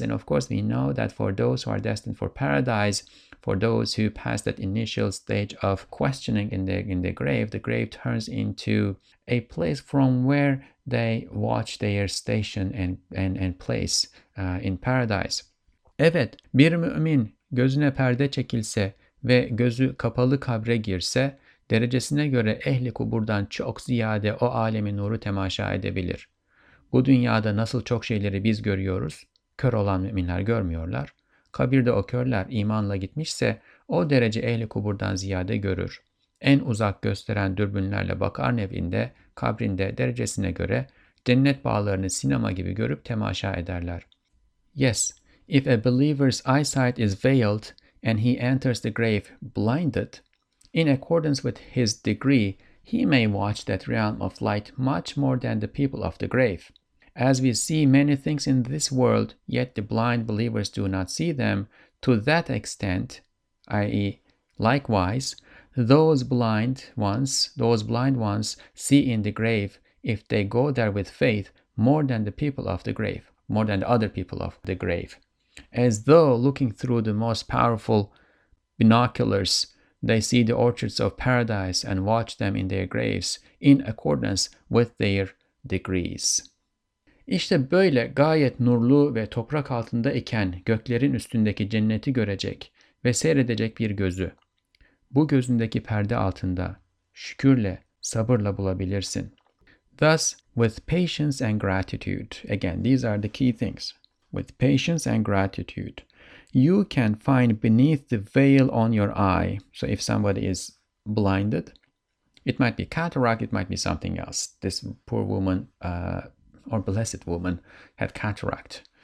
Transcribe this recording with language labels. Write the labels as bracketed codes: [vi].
[en] And of course, we know that for those who are destined for paradise, for those who pass that initial stage of questioning in the grave, the grave turns into a place from where they watch their station and place in paradise. [tr] Evet, bir mümin gözüne perde çekilse ve gözü kapalı kabre girse, derecesine göre ehli kuburdan çok ziyade o alemin nuru temaşa edebilir. Bu dünyada nasıl çok şeyleri biz görüyoruz, kör olan müminler görmüyorlar. Kabirde o körler imanla gitmişse o derece ehli kuburdan ziyade görür. En uzak gösteren dürbünlerle bakar nevinde, kabrinde derecesine göre cennet bağlarını sinema gibi görüp temaşa ederler. [en] Yes, if a believer's eyesight is veiled and he enters the grave blinded, in accordance with his degree, he may watch that realm of light much more than the people of the grave. As we see many things in this world, yet the blind believers do not see them, to that extent, i.e., likewise, those blind ones see in the grave, if they go there with faith, more than the people of the grave, more than the other people of the grave. As though looking through the most powerful binoculars, they see the orchards of paradise and watch them in their graves in accordance with their degrees. [tr] İşte böyle gayet nurlu ve toprak altında iken göklerin üstündeki cenneti görecek ve seyredecek bir gözü. Bu gözündeki perde altında şükürle, sabırla bulabilirsin. [en] Thus, with patience and gratitude, again, these are the key things. With patience and gratitude, you can find beneath the veil on your eye. So if somebody is blinded, it might be cataract, it might be something else. This poor woman, or blessed woman, had cataract.